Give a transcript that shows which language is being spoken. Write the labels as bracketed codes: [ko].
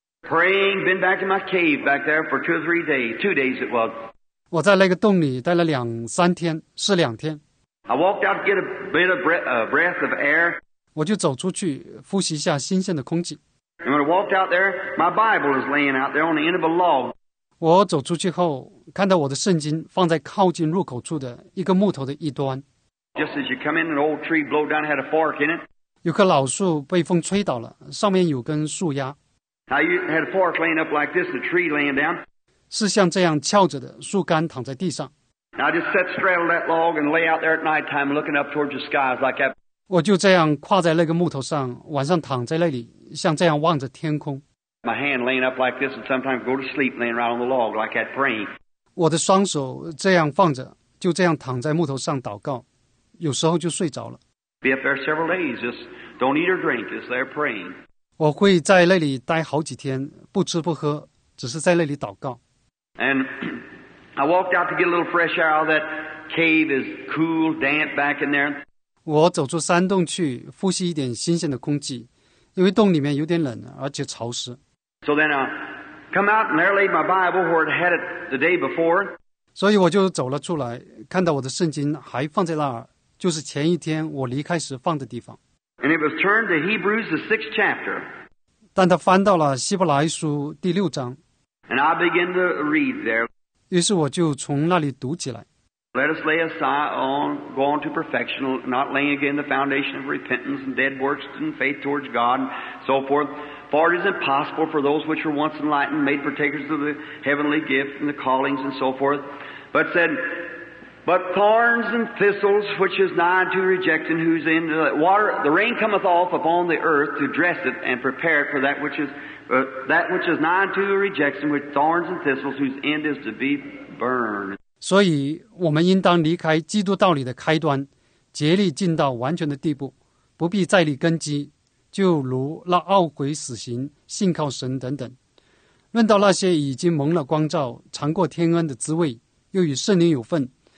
[en] Praying, been back in my cave back there for two days it was. [zh] 我在那个洞里待了两天。 [en] I walked out to get a bit of breath of air. [zh] 我就走出去呼吸一下新鲜的空气。 [en] And when I walked out there, my Bible was laying out there on the end of a log. [zh] 我走出去后，看到我的圣经放在靠近入口处的一个木头的一端。 [en] Just as you come in, an old tree blow down had a fork in it. [zh] 有棵老树被风吹倒了，上面有根树丫。 [en] Now you had a fork laying up like this, the tree laying down. [zh] 是像这样翘着的树干躺在地上。 [en] Now I just sat straddled that log and lay out there at night time looking up towards the skies like that. [zh] 我就这样跨在那个木头上，晚上躺在那里。像这样望着天空。 [en] My hand laying up like this, and sometimes go to sleep laying right on the log like that praying. [zh] 我的双手这样放着，就这样躺在木头上祷告，有时候就睡着了。 [en] Be up there several days, just don't eat or drink, just there praying. [zh] 我会在那里待好几天，不吃不喝，只是在那里祷告。 [en] And I walked out to get a little fresh air. That cave is cool, damp back in there. [zh] 我走出山洞去呼吸一点新鲜的空气，因为洞里面有点冷，而且潮湿。 [en] So then I come out and there laid my Bible where it had it the day before. [zh] 所以我就走了出来，看到我的圣经还放在那儿，就是前一天我离开时放的地方。 [en] And it was turned to Hebrews, the sixth chapter. [zh] 但他翻到了希伯来书第六章。 [en] And I began to read there. [zh] 于是我就从那里读起来。 [en] Let us lay aside on going to perfection, not laying again the foundation of repentance and dead works and faith towards God and so forth. For it is impossible for those which were once enlightened, made partakers of the heavenly gift and the callings and so forth. But said,But thorns and thistles, which is nigh to reject, and whose end water, the rain cometh off upon the earth to dress it and prepare it for that which is nigh to reject, and with thorns and thistles, whose end is to be burned. [zh] 所以我们应当离开基督道理的开端，竭力进到完全的地步，不必再立根基，就如那懊悔死刑、信靠神等等。论到那些已经蒙了光照、尝过天恩的滋味，又与圣灵有份。